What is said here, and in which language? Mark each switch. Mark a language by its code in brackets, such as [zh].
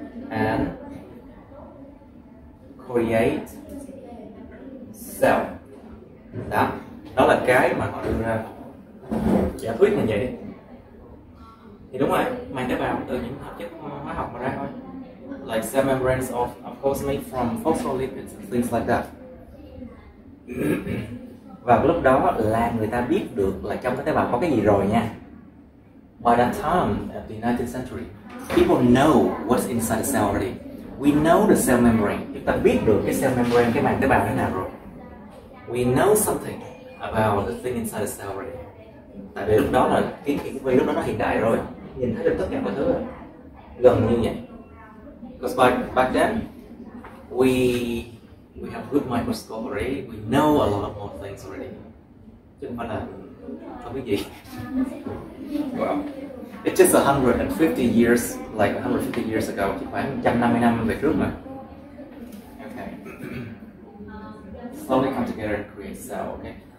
[en] And create cell. [vi] Đó, đó là cái mà họ đưa ra giả thuyết là vậy. Thì đúng rồi, màng tế bào từ những hợp chất hóa học mà ra thôi. [en] Like cell membranes of course made from phospholipids and things like that. [vi] Và lúc đó là người ta biết được là trong cái tế bào có cái gì rồi nha. [en] By that time, at the 19th century, people know what's inside the cell already. We know the cell membrane. [vi] Chúng ta biết được cái cell membrane, cái màng tế bào thế nào rồi. [en] We know something about the thing inside the cell already. [vi] Tại vì lúc đó là kiến thức về lúc đó nó hiện đại rồi. Nhìn thấy được tất cả mọi thứ rồi. Gần như vậy. [en] Because back then, we have good microscope already. We know a lot of more things already. [vi] Chứ không phải là không biết gì. Wow. [en] It's just 150 years, like 150 years ago. [vi] Chỉ khoảng 150 năm về trước mà. [en] Okay. Slowly come together and create cell, okay?